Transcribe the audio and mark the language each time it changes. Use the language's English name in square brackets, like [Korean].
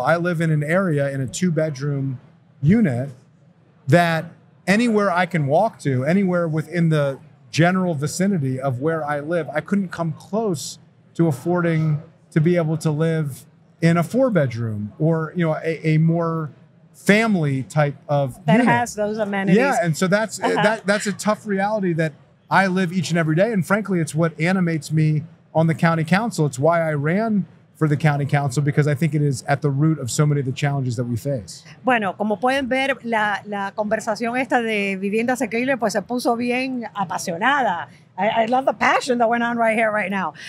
[English] I live in an area in a two bedroom unit that anywhere I can walk to, anywhere within the general vicinity of where I live, I couldn't come close to affording to be able to live in a four bedroom or, you know, a more family type of that unit. Has those amenities. Yeah. And so that's that's a tough reality that I live each and every day. And frankly, it's what animates me on the county council. It's why I ran for the county council, because I think it is at the root of so many of the challenges that we face. [Spanish] Bueno, como pueden ver, la conversación esta de vivienda asequible pues se puso bien apasionada. [English] I love the passion that went on right here, right now.